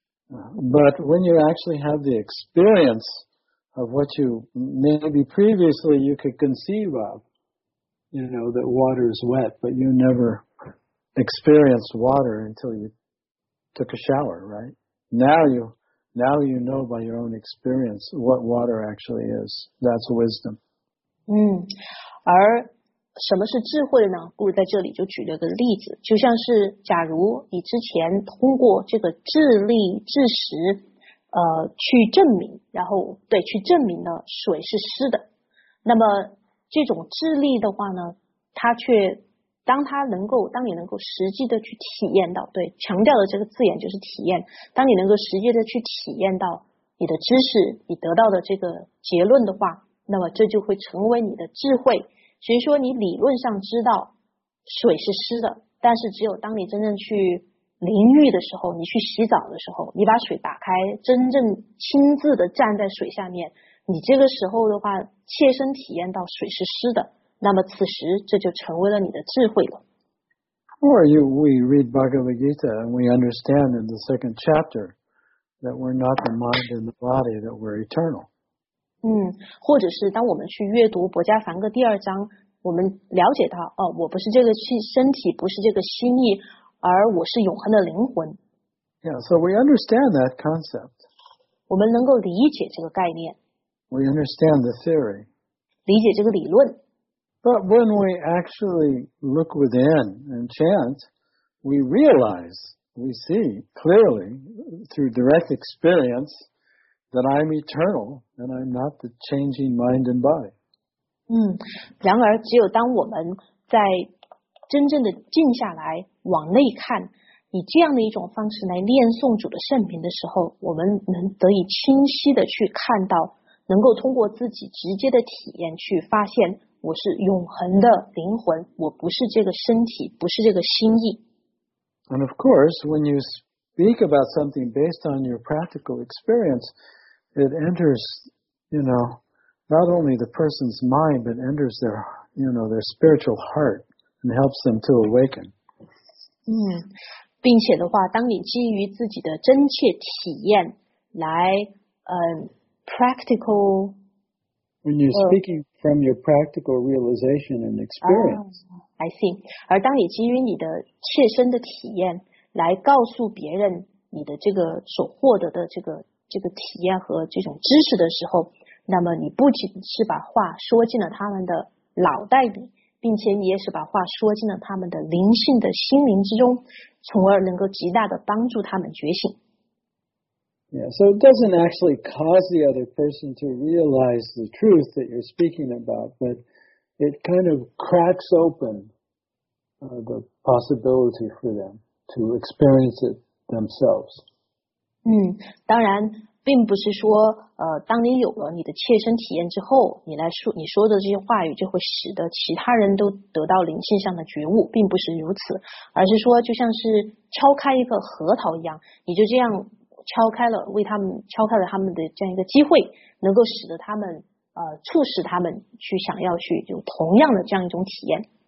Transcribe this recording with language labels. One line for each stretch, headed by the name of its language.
English: But when you actually have the experience of what you maybe previously you could conceive of, you know, that water is wet, but you never experienced water until you took a shower, right? Now you know by your own experience what water actually is. That's wisdom.
Chinese: 而什么是智慧呢？故在这里就举了个例子，就像是假如你之前通过这个智力智识去证明，然后对去证明了水是湿的，那么这种智力的话呢，它却当你能够实际的去体验到，对，强调的这个字眼就是体验，当你能够实际的去体验到你的知识，你得到的这个结论的话，那么这就会成为你的智慧。所以说你理论上知道水是湿的，但是只有当你真正去淋浴的时候，你去洗澡的时候，你把水打开，真正亲自的站在水下面，你这个时候的话切身体验到水是湿的，那么此时这就成为了你的智慧了。
English: Or we read Bhagavad Gita and we understand in the second chapter that we're not the mind and the body, that we're eternal.
Chinese: 或者是当我们去阅读《薄伽梵歌》第二章，我们了解到，哦，我不是这个身体，不是这个心意，而我是永恒的灵魂。
English: Yeah, so we understand that concept.
Chinese: 我们能够理解这个概念。
English: We understand the theory.
Chinese: 理解这个理论。
English: But when we actually look within and chant, we realize, we see clearly through direct experience. That I'm eternal, and I'm not the changing mind and body.
Chinese: 然而只有当我们在真正的静下来，往内看，以这样的一种方式来念诵主的圣名的时候，我们能得以清晰的去看到，能够通过自己直接的体验去发现，我是永恒的灵魂，我不是这个身体，不是这个心意。
English: And of course, when you speak about something based on your practical experience, it enters, you know, not only the person's mind, but enters their, you know, their spiritual heart and helps them to awaken.
Chinese: 并且的话，当你基于自己的真切体验来practical.
English: When you're speaking from your practical realization and experience. I see.
Chinese: 而当你基于你的切身的体验来告诉别人你的这个所获得的这个体验和这种知识的时候，那么你不仅是把话说进了他们的脑袋里，并且你也是把话说进了他们的灵性的心灵之中，从而能够极大的帮助他们觉醒。
English: Yeah, so it doesn't actually cause the other person to realize the truth that you're speaking about, but it kind of cracks open the possibility for them.To experience it themselves.
Chinese: 当然并不是说当你有了你的切身体验之后，你说的这些话语就会使得其他人都得到灵性上的觉悟，并不是如此，而是说就像是敲开一个核桃一样，你就这样敲开了，为他们敲开了他们的这样一个机会，能够使得他们促使他们去想要去有同样的这样一种体验。